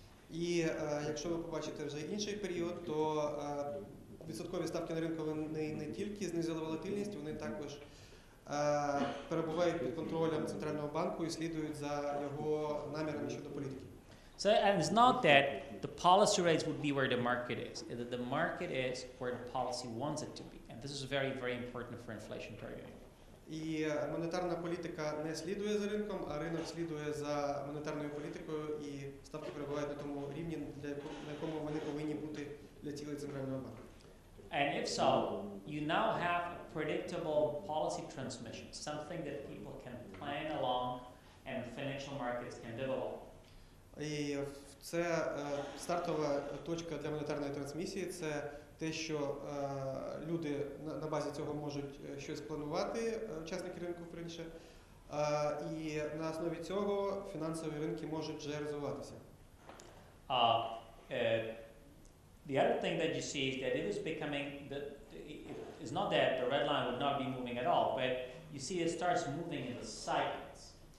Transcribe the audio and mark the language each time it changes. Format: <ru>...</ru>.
<uk>І якщо ви побачите вже інший період, то відсоткові ставки на ринку вони не тільки знизили волатильність, вони також перебувають під контролем Центрального банку і слідують за його намірами щодо політики.</uk> <en>So, and it's not that the policy rates would be where the market is. That the market is where the policy wants it to be. And this is very, very important for inflation targeting.</en> <uk>І монетарна політика не слідує за ринком, а ринок слідує за монетарною політикою, і ставки перебувають на тому рівні, на якому вони повинні бути для цілей Центрального банку.</uk> <en>And if so, you now have a predictable policy transmission, something that people can plan along and financial markets can develop.</en> <uk>І це стартова точка для монетарної трансмісії, це те, що люди на базі цього можуть щось планувати, учасники ринку, вперше, і на основі цього фінансові ринки можуть вже розвиватися.</uk> <en>The other thing that you see is that it is becoming, it's not that the red line would not be moving at all, but you see it starts moving in the cycles.</en>